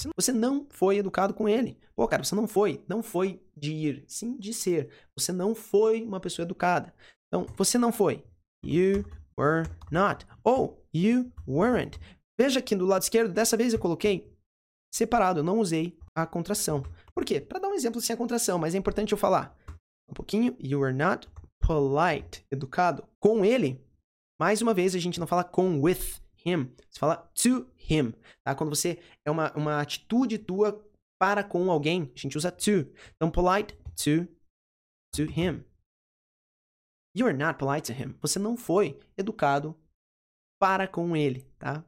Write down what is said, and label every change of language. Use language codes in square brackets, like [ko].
[pt] Você não foi educado com ele. Pô, cara, você não foi. Não foi de ir, sim de ser. Você não foi uma pessoa educada. Então, você não foi. [en] You were not. Ou, you weren't. [pt] Veja aqui do lado esquerdo, dessa vez eu coloquei separado. Eu não usei a contração. Por quê? Para dar um exemplo sem a contração, mas é importante eu falar. Um pouquinho, [en] you were not polite, [pt] educado, com ele. Mais uma vez, a gente não fala com, [en] with him, [pt] você fala to him, tá? Quando você é uma atitude tua para com alguém, a gente usa to. [en] Então, polite to him. You were not polite to him. [pt] Você não foi educado para com ele, tá?